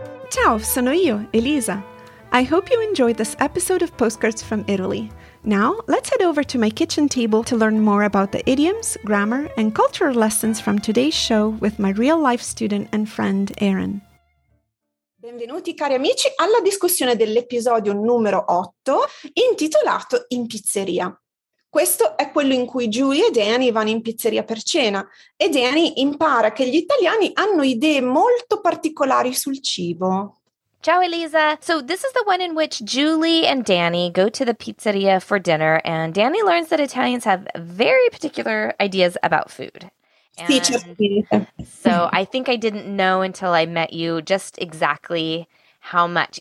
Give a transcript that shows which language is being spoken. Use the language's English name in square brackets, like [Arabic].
[Italian] Ciao, sono io, Elisa. [English] I hope you enjoyed this episode of Postcards from Italy. Now, let's head over to my kitchen table to learn more about the idioms, grammar, and cultural lessons from today's show with my real-life student and friend, Erin. [Italian] Benvenuti, cari amici, alla discussione dell'episodio numero 8, intitolato In pizzeria. Questo è quello in cui Julie e Danny vanno in pizzeria per cena e Danny impara che gli italiani hanno idee molto particolari sul cibo. Ciao Elisa! [English] So this is the one in which Julie and Danny go to the pizzeria for dinner and Danny learns that Italians have very particular ideas about food. [Italian] Sì, certo. [English] So I think I didn't know until I met you just exactly how much.